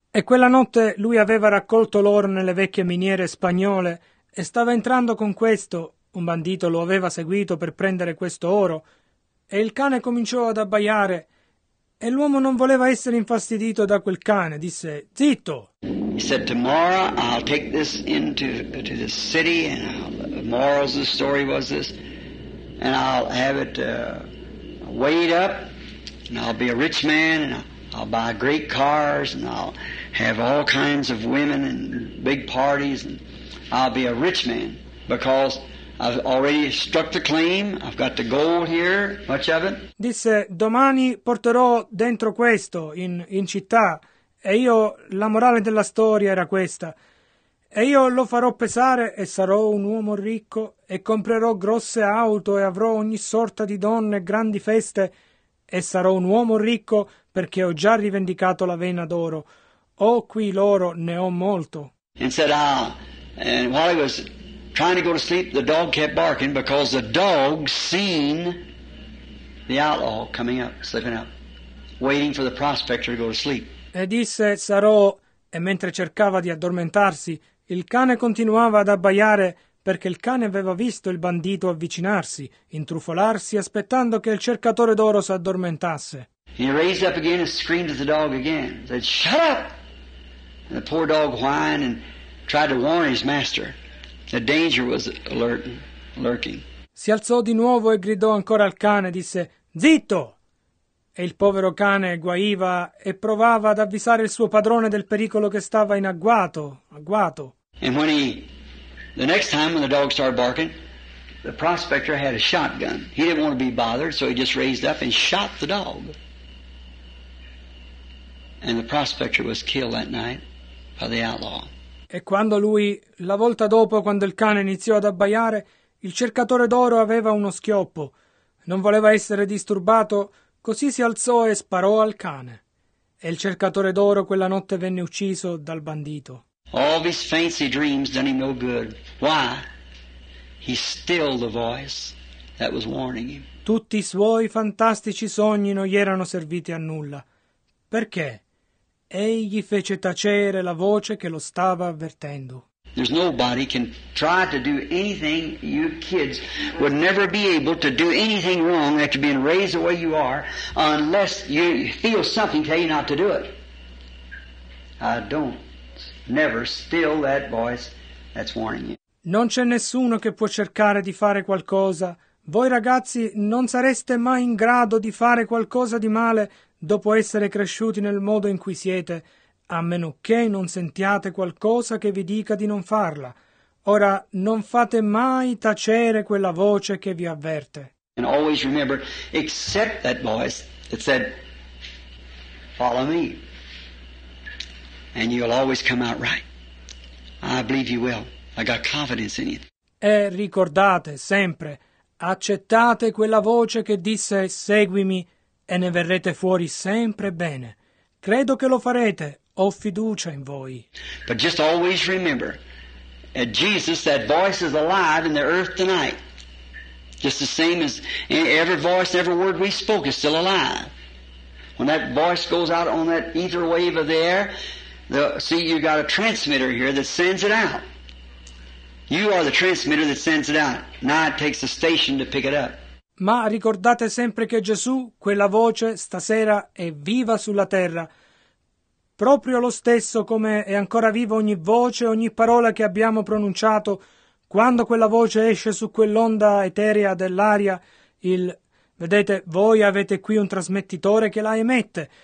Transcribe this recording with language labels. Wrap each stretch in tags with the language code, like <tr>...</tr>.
<it>E quella notte lui aveva raccolto l'oro nelle vecchie miniere spagnole e stava entrando con questo. Un bandito lo aveva seguito per prendere questo oro. E il cane cominciò ad abbaiare, e l'uomo non voleva essere infastidito da quel cane. Disse, zitto!</it> <en>He said, tomorrow I'll take this into to the city, and the moral's the story was this, and I'll have it weighed up, and I'll be a rich man, and I'll buy great cars, and I'll have all kinds of women and big parties, and I'll be a rich man, because I've already struck the claim, I've got the gold here, much of it.</en> <it>Disse, domani porterò dentro questo in città, e io, la morale della storia era questa, e io lo farò pesare e sarò un uomo ricco e comprerò grosse auto e avrò ogni sorta di donne, grandi feste, e sarò un uomo ricco perché ho già rivendicato la vena d'oro. Ho qui l'oro, ne ho molto.</it> <en>And said, ah, and while he was trying to go to sleep, the dog kept barking because the dog seen the outlaw coming up, slipping up, waiting for the prospector to go to sleep.</en> <it>E disse, sarò, e mentre cercava di addormentarsi, il cane continuava ad abbaiare perché il cane aveva visto il bandito avvicinarsi, intrufolarsi, aspettando che il cercatore d'oro si addormentasse.</it> <en>He raised up again and screamed at the dog again. He said, shut up! And the poor dog whined and tried to warn his master. The danger was lurking.</en> <it>Si alzò di nuovo e gridò ancora al cane, disse, zitto! E il povero cane guaiva e provava ad avvisare il suo padrone del pericolo che stava in agguato.</it> <en>And when the next time when the dog started barking, the prospector had a shotgun. He didn't want to be bothered, so he just raised up and shot the dog. And the prospector was killed that night by the outlaw.</en> <it>E quando lui, la volta dopo, quando il cane iniziò ad abbaiare, il cercatore d'oro aveva uno schioppo. Non voleva essere disturbato, così si alzò e sparò al cane. E il cercatore d'oro quella notte venne ucciso dal bandito.</it> <en>All these fancy dreams done him no good. Why? He stilled the voice that was warning him.</en> <it>Tutti i suoi fantastici sogni non gli erano serviti a nulla. Perché? Egli fece tacere la voce che lo stava avvertendo.</it> <en>There's nobody can try to do anything. You kids would never be able to do anything wrong after being raised the way you are, unless you feel something tell you not to do it. I don't. Never still that voice that's warning you.</en> <it>Non c'è nessuno che può cercare di fare qualcosa. Voi ragazzi non sareste mai in grado di fare qualcosa di male dopo essere cresciuti nel modo in cui siete, a meno che non sentiate qualcosa che vi dica di non farla. Ora, non fate mai tacere quella voce che vi avverte.</it> <en>And always remember, except that voice that said, follow me, and you'll always come out right. I believe you will. I got confidence in you.</en> <it>E ricordate sempre, accettate quella voce che disse seguimi e ne verrete fuori sempre bene. Credo che lo farete, ho fiducia in voi.</it> <en>But just always remember, at Jesus, that voice is alive in the earth tonight. Just the same as every voice, every word we spoke is still alive. When that voice goes out on that ether wave of the air, see, you got a transmitter here that sends it out. You are the transmitter that sends it out. Now it takes a station to pick it up.</en> <it>Ma ricordate sempre che Gesù, quella voce, stasera è viva sulla terra. Proprio lo stesso come è ancora viva ogni voce, ogni parola che abbiamo pronunciato, quando quella voce esce su quell'onda eterea dell'aria, vedete, voi avete qui un trasmettitore che la emette.</it>